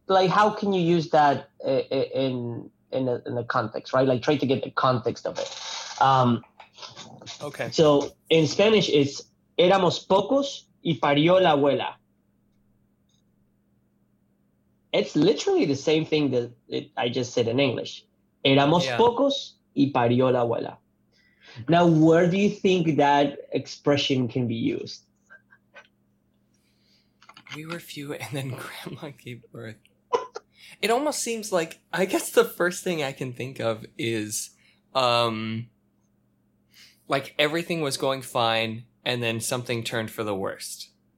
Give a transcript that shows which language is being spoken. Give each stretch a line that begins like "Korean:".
English: Like, how can you use that in a context, right? Like, try to get the context of it. Okay. So in Spanish, it's
Spanish: éramos pocos y parió la abuela.
English: It's literally the same thing that I just said in English.
Spanish: Éramos pocos y parió la abuela.
English: Now, where do you think that expression can be used? We were few and then grandma gave birth. It almost seems like, I guess the first thing I can think of is like everything was going fine and then something turned for the worst.